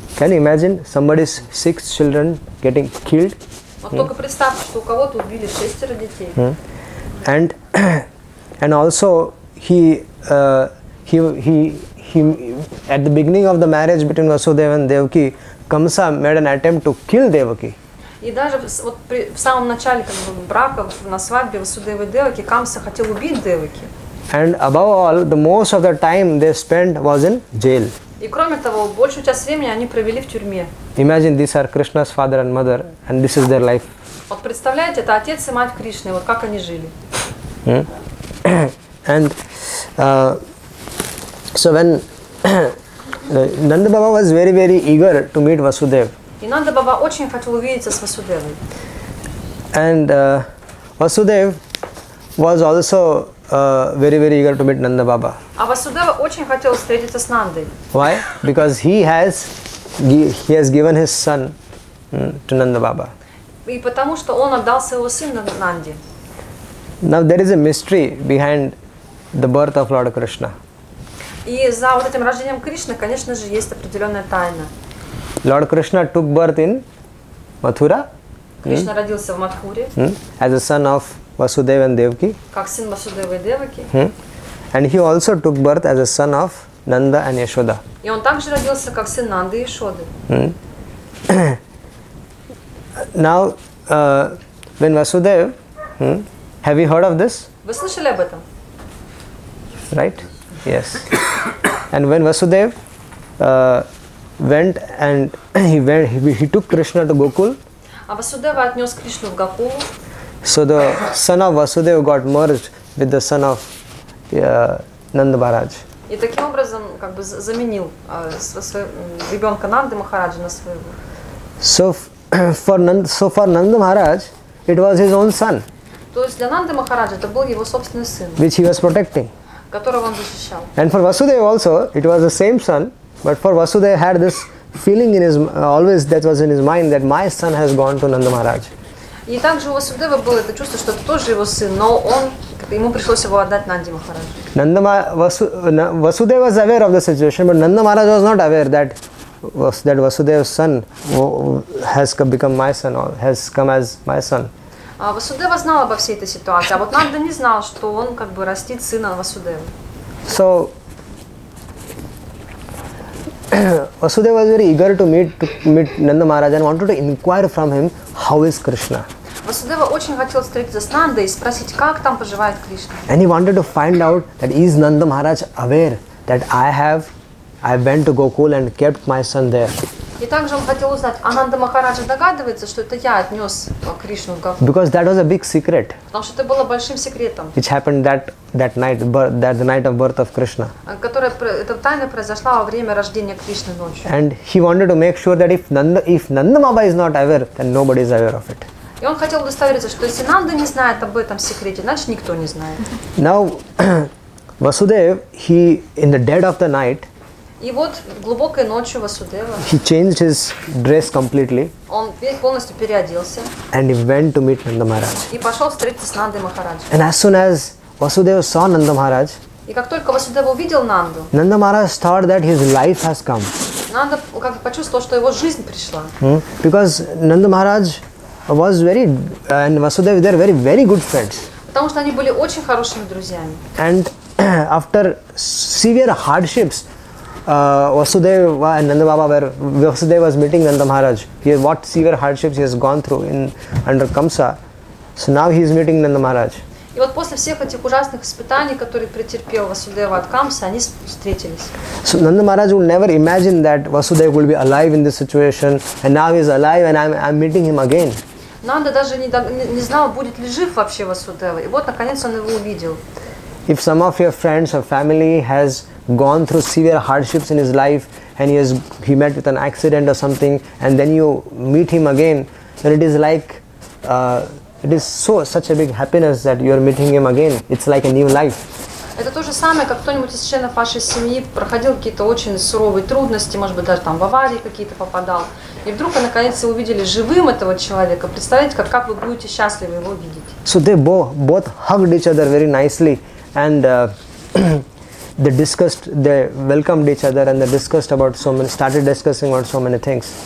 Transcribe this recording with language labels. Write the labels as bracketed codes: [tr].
[en] Can you imagine somebody's six children getting killed? [ru] Вот только представьте, что у кого-то убили шестеро детей. [en] And also he at the beginning of the marriage between Vasudev and Devaki, Kamsa made an attempt to kill Devaki. [ru] И даже вот в самом начале как бы брака на свадьбе Васудевы и Деваки Камса хотел убить Деваки. [en] And above all, the most of the time they spent was in jail. [ru] И кроме того, большую часть времени они провели в тюрьме. [en] Imagine these are Krishna's father and mother, and this is their life. [ru] Вот представляете, это отец и мать Кришны, вот как они жили. [en] And so when Nanda Baba was very very eager to meet Vasudev. [ru] И Нанда Баба очень хотел увидеться с Васудевой. [en] And Vasudev was also very very eager to meet Nanda Baba. [ru] А Васудева очень хотел встретиться с Нандой. [en] Why? Because he has given his son to Nanda Baba. [ru] И потому что он отдал своего сына Нанде. [en] Now there is a mystery behind the birth of Lord Krishna. [ru] И за вот этим рождением Кришны, конечно же, есть определенная тайна. [en] Lord Krishna took birth in Mathura. [ru] Кришна родился в Матхуре. [en] As a son of Vasudev and Devaki. [ru] Как сын Васудевы и Деваки. [en] And he also took birth as a son of Nanda and Yashoda. [ru] И он также родился как сын Нанды и Яшоды. [en] Now when Vasudev. Have you heard of this? [ru] Вы слышали об этом? [en] Right? Yes. And when Vasudev went and he took Krishna to Gokul. [ru] А Васудева отнес Кришну в Гокулу. [en] So the son of Vasudev got merged with the son of [ru] Нанда Махарадж. И таким образом как бы заменил ребенка Нанды Махараджи на своего. [en] So for Nanda Maharaj, it was his own son. [ru] То есть для Нанды Махараджи это был его собственный сын. [en] Which he was protecting. [ru] Которого он защищал. [en] And for Vasudeva also, it was the same son, but for Vasudeva had this feeling in his always that was in his mind that my son has gone to Nanda Maharaj. [ru] И также у Васудевы было это чувство, что это тоже его сын, но он ему пришлось его отдать Нанде Махараджу. [en] Васудева was aware of the situation, but Nanda Maharaj was not aware that Vasudeva's son has become my son or has come as my son. [ru] Васудева знал обо всей этой ситуации, а вот Нанда не знал, что он как бы растит сына Васудевы. [en] So Vasudeva was very eager to meet Nanda Maharaj and wanted to inquire from him how is Krishna. [ru] Vasudeva очень хотел встретиться с Нандой и спросить, как там поживает Кришна. [en] And he wanted to find out that is Nanda Maharaj aware that I went to Gokul and kept my son there. [ru] И также он хотел узнать, а Нанда Махарадж догадывается, что это я отнес Кришну в Гокул? [en] Because that was a big secret. [ru] Потому что это было большим секретом. [en] Which happened that night of birth of Krishna. [ru] Это тайна произошла во время рождения Кришны ночью. [en] And he wanted to make sure that if Nanda Baba is not aware, then nobody is aware of it. [ru] И он хотел удостовериться, что если Нанда не знает об этом секрете, значит никто не знает. [en] Now Vasudev, he in the dead of the night. [ru] И вот глубокой ночью Васудева. [en] He changed his dress completely. [ru] Он полностью переоделся. [en] And he went to meet Nanda Maharaj. [ru] И пошел встретиться с Нандой Махарадж. [en] And as soon as Vasudeva saw Nanda Maharaj. [ru] И как только Васудева увидел Нанду. [en] Nanda Maharaj thought that his life has come. [ru] Нанда как бы почувствовал, что его жизнь пришла. [en] Because Nanda Maharaj was very and Vasudeva they are very very good friends. [ru] Потому что они были очень хорошими друзьями. [en] And after severe hardships. Vasudeva and Nanda Baba were Vasudeva was meeting Nanda Maharaj. He what severe hardships he has gone through in under Kamsa. So now he is meeting Nanda Maharaj. [ru] И вот после всех этих ужасных испытаний, которые претерпел Васудева от Камса, они встретились. [en] So Nanda Maharaj would never imagine that Vasudeva would be alive in this situation, and now he is alive, and I'm meeting him again. [ru] Нанда даже не знал, будет ли жив вообще Васудева, и вот наконец он его увидел. [en] If some of your friends or family has gone through severe hardships in his life and he met with an accident or something and then you meet him again, then it is like it is such a big happiness that you are meeting him again. It's like a new life. [ru] Это то же самое, как кто-нибудь из членов вашей семьи проходил какие-то очень суровые трудности, может быть, даже там в аварии какие-то попадал. И вдруг вы наконец-то увидели живым этого человека. Представляете, как вы будете счастливы его видеть. [en] So they both hugged each other very nicely and they discussed, they welcomed each other and they discussed about so many, started discussing about so many things.